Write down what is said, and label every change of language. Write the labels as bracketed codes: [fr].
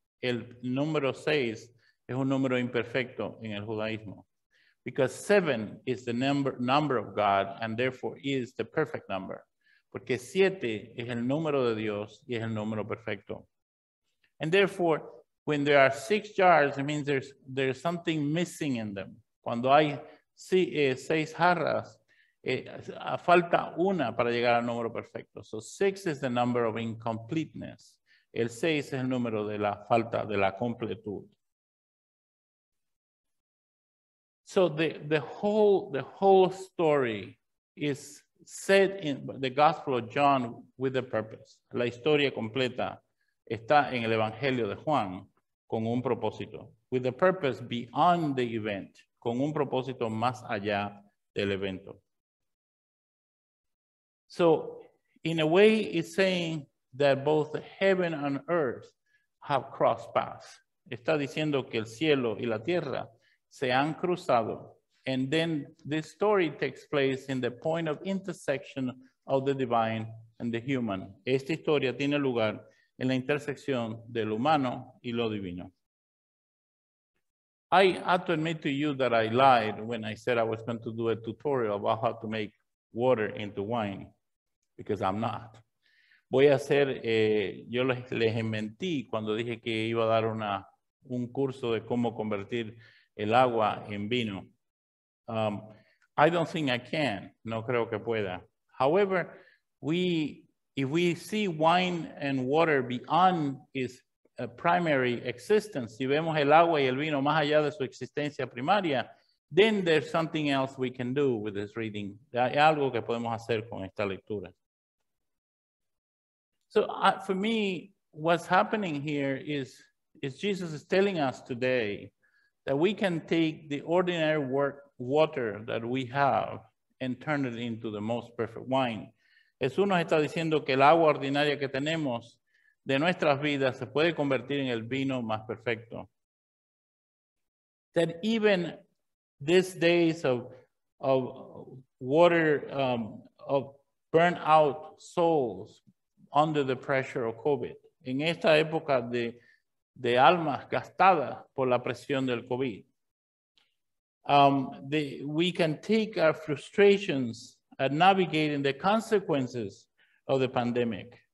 [es] El número 6 es un número imperfecto en el judaísmo. [en] Because 7 is the number of God and therefore is the perfect number. [es] Porque 7 es el número de Dios y es el número perfecto. [en] And therefore, when there are 6 jars, it means there's something missing in them. [es] Cuando hay 6 jarras, falta una para llegar al número perfecto. [en] So 6 is the number of incompleteness. [es] El 6 es el número de la falta, de la completud. [en] So the whole story is set in the Gospel of John with a purpose. [es] La historia completa está en el Evangelio de Juan con un propósito. [en] With a purpose beyond the event. [es] Con un propósito más allá del evento. [en] So, in a way, it's saying that both heaven and earth have crossed paths. [es] Está diciendo que el cielo y la tierra se han cruzado. [en] And then this story takes place in the point of intersection of the divine and the human. [es] Esta historia tiene lugar en la intersección del humano y lo divino. [en] I have to admit to you that I lied when I said I was going to do a tutorial about how to make water into wine. Because I'm not. [es] Voy a hacer, yo les mentí cuando dije que iba a dar un curso de cómo convertir el agua en vino. [en] I don't think I can. [es] No creo que pueda. [en] However, if we see wine and water beyond its primary existence, [es] si vemos el agua y el vino más allá de su existencia primaria, [en] then there's something else we can do with this reading. [es] Hay algo que podemos hacer con esta lectura. [en] So for me, what's happening here is Jesus is telling us today that we can take the ordinary water that we have and turn it into the most perfect wine. [es] Jesús nos está diciendo que el agua ordinaria que tenemos de nuestras vidas se puede convertir en el vino más perfecto. [en] That even these days of water, of burnt out souls, under the pressure of COVID. [es] En esta época de almas gastadas por la presión del COVID. [en] We can take our frustrations at navigating the consequences of the pandemic.